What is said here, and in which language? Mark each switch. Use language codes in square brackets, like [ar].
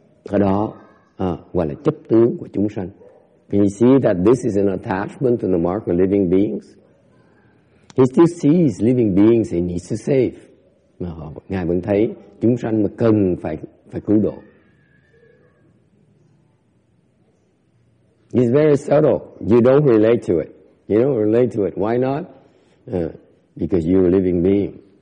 [vi] Cái đó gọi là chấp tướng của chúng sanh. [en] Can you see that this is an attachment to the mark of living beings? He still sees living beings he needs to save. [vi] Ngài vẫn thấy chúng sanh mà cần phải cứu độ. [en] It's very subtle. You don't relate to it. You don't relate to it. Why not? Because you're a living being.